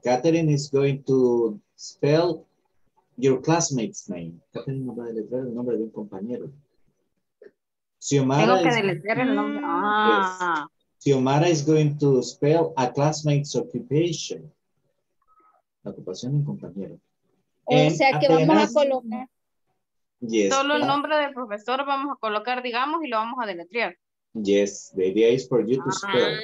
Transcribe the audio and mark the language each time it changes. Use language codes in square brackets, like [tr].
[en] Catherine is going to spell your classmate's name. [es] Catherine no va a deletrear el nombre de un compañero. Xiomara. Tengo que deletrear el nombre. [en] Xiomara is going to spell a classmate's occupation. [es] La ocupación de un compañero. O sea que Atenas, vamos a colocar. [en] Yes. [es] Solo el nombre del profesor vamos a colocar, digamos, y lo vamos a deletrear. [en] Yes, the idea is for you to spell.